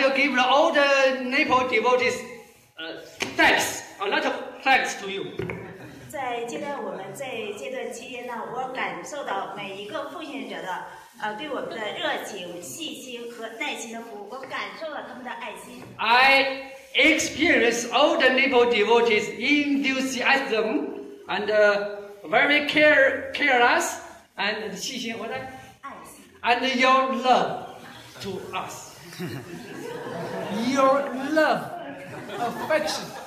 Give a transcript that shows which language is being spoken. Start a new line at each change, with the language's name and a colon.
English: will give all the Nepal devotees thanks, a lot of thanks to you.
Chinese: 在这段期间呢，我感受到每一个奉献者的对我们的热情、细心和耐心的服务，我感受了他们的爱心。
English: I experience all the Nepal devotees' enthusiasm and very careless and
Chinese: 细心
English: what I, and your love to us. Your love, affection.